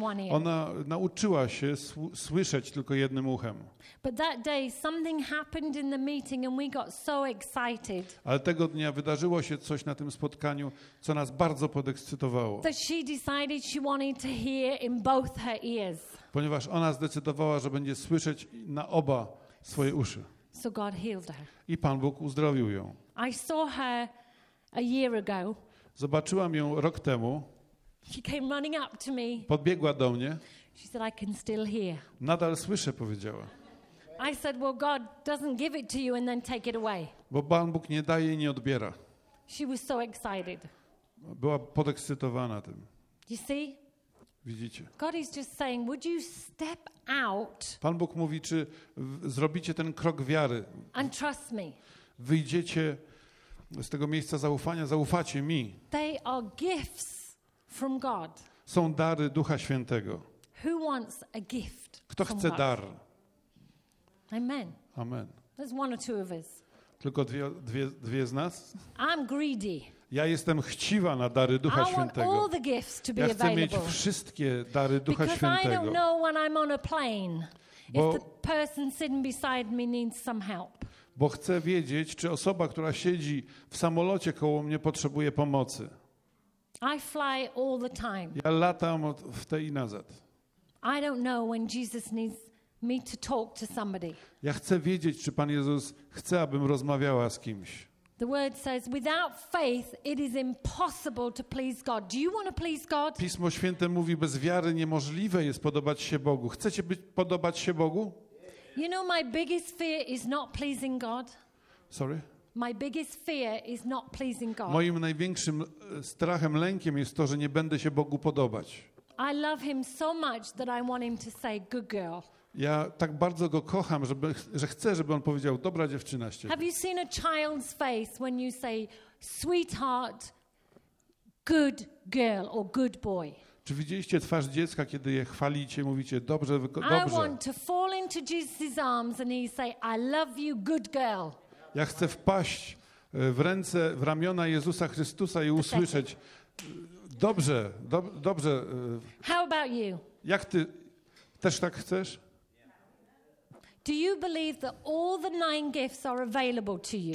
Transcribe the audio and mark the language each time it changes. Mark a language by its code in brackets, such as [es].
[pl] Ona nauczyła się słyszeć tylko jednym uchem. [en] But that day something happened in the meeting and we got so excited. [pl] Ale tego dnia wydarzyło się coś na tym spotkaniu, co nas bardzo podekscytowało. [en] That she decided she wanted to hear in both her ears. [pl] Ponieważ ona zdecydowała, że będzie słyszeć na oba swoje uszy. [en] So God healed her. [pl] I Pan Bóg uzdrowił ją. [en] I saw her a year ago. [pl] Zobaczyłam ją rok temu. [en] She came running up to me. [pl] Podbiegła do mnie. [en] She said, I can still hear. [pl] Nadal słyszę, powiedziała. [en] I said, well, God doesn't give it to you and then take it away. [pl] Bo Pan Bóg nie daje i nie odbiera. [en] She was so excited. [pl] Była podekscytowana tym. [en] You see? [pl] Widzicie? [en] God is just saying, would you step out? [pl] Pan Bóg mówi, czy zrobicie ten krok wiary? [en] And trust me. [pl] Wyjdziecie z tego miejsca zaufania, zaufacie mi. [en] They are gifts. From God. [pl] Są dary Ducha Świętego. [en] Who wants a gift? [pl] Kto chce dar? [en] Amen. [pl] Amen. [en] There's one or two of us. [pl] Tylko dwie z nas. [en] I'm greedy. [pl] Ja jestem chciwa na dary Ducha Świętego. [en] All the gifts to be [pl] ja chcę [en] available. [pl] Mieć wszystkie dary Ducha [en] Because [pl] Świętego. [en] I don't know when I'm on a plane. [pl] Bo, [en] if the person sitting beside me needs some help. [pl] Bo chcę wiedzieć, czy osoba, która siedzi w samolocie koło mnie, potrzebuje pomocy. [en] I fly all the time. [pl] Ja latam od w te i nazad. [en] I don't know when Jesus needs me to talk to somebody. [pl] Ja chcę wiedzieć, czy Pan Jezus chce, abym rozmawiała z kimś. [en] The word says, without faith, it is impossible to please God. Do you want to please God? [pl] Pismo Święte mówi, bez wiary niemożliwe jest podobać się Bogu. Chcecie być podobać się Bogu? [en] You know, my biggest fear is not pleasing God. Sorry? My biggest fear is not pleasing God. [pl] Moim największym strachem, lękiem jest to, że nie będę się Bogu podobać. [en] I love him so much that I want him to say, good girl. [pl] Ja tak bardzo go kocham, że chcę, żeby on powiedział: dobra dziewczyna. [en] Have you seen a child's face when you say sweetheart, good girl or good boy? [pl] Czy widzieliście twarz dziecka, kiedy je chwalicie, mówicie: dobrze, dobrze. [en] I want to fall into Jesus' arms and he say I love you, good girl. [pl] Ja chcę wpaść w ręce, w ramiona Jezusa Chrystusa i usłyszeć: dobrze, dobrze. [en] How about you? [pl] Jak ty też tak chcesz? [en] Do you believe that all the nine gifts are available to you?